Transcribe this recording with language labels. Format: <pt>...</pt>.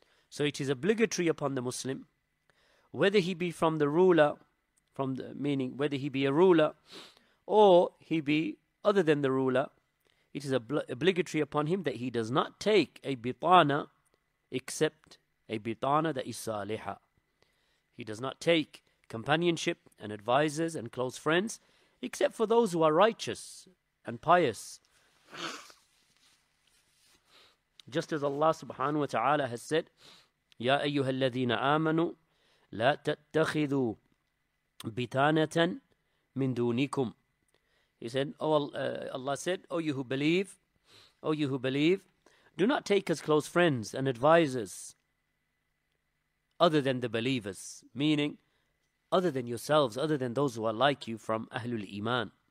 <en>So it is obligatory upon the Muslim, whether he be from the ruler, from the meaning whether he be a ruler or he be other than the ruler, it is obligatory upon him that he does not take a bitana except a bitana that is saliha. He does not take companionship and advisors and close friends except for those who are righteous and pious. Just as Allah subhanahu wa ta'ala has said,</en> <ar>يَا أَيُّهَا الَّذِينَ آمَنُوا لَا تَتَّخِذُوا بِتَانَةً مِن دُونِكُمْ.</ar> <en>He said, Allah said, O you who believe, O you who believe, do not take as close friends and advisors other than the believers, meaning other than yourselves, other than those who are like you from Ahlul Iman.</en>